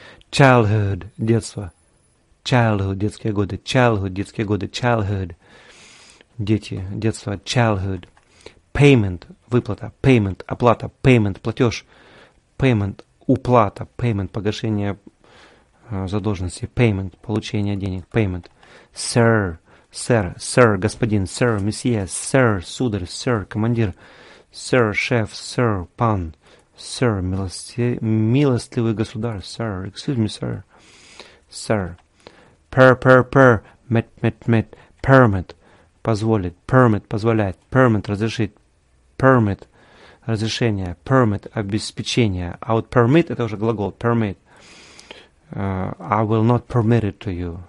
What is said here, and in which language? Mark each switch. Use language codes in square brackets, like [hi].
[ru] Childhood, детство. Childhood, детские годы. Childhood, детские годы. Childhood, дети, детство. Childhood. Payment, выплата. Payment, оплата. Payment, платеж. Payment, уплата. Payment, погашение задолженности, payment, получение денег, payment, sir, sir, sir, господин, sir, месье, sir, сударь, sir, командир, sir, шеф, sir, пан, sir, милостливый государь, sir, [en] excuse me, sir, [ru] sir, per, met, met, met, permit, позволит, permit, позволяет, permit, разрешить, permit, разрешение, permit, обеспечение. А вот permit – это уже глагол, permit. [en] I will not permit it to you.